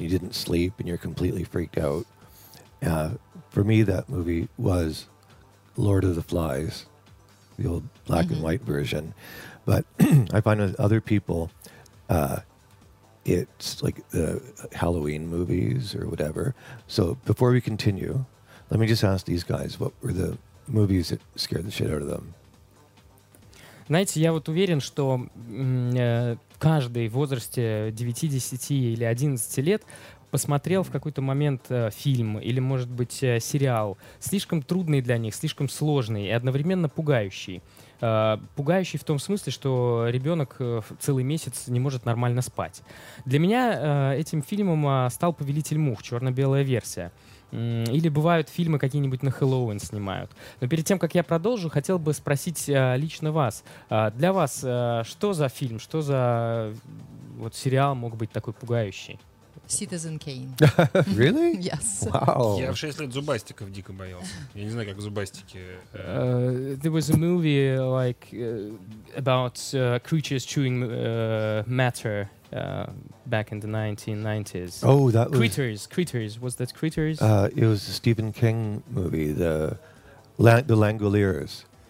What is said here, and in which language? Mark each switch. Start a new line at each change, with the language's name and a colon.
English: You didn't sleep and you're completely freaked out. For me, that movie was Lord of the Flies, the old black and white version. But I find with other people, it's like the Halloween movies or whatever. So before we continue, let me just ask these guys, what were the movies that scared the shit out of them?
Russian: Знаете, я вот уверен, что каждый в возрасте 9, 10 или 11 лет посмотрел в какой-то момент фильм или, может быть, сериал, слишком трудный для них, слишком сложный и одновременно пугающий. Пугающий в том смысле, что ребенок целый месяц не может нормально спать. Для меня этим фильмом стал «Повелитель мух», черно-белая версия. Или бывают фильмы какие-нибудь на Хэллоуин снимают. Но перед тем, как я продолжу, хотел бы спросить лично вас. Для вас что за фильм, что за вот сериал мог быть такой пугающий?
English: Citizen Kane. Really? Yes. Wow.
Russian: Я в 6 лет зубастиков дико боялся. Я не знаю, как зубастики.
English: There was a movie like about creatures chewing matter back in the 1990s. Oh, that was Critters. Was that Critters? It was a Stephen King movie, the Langoliers.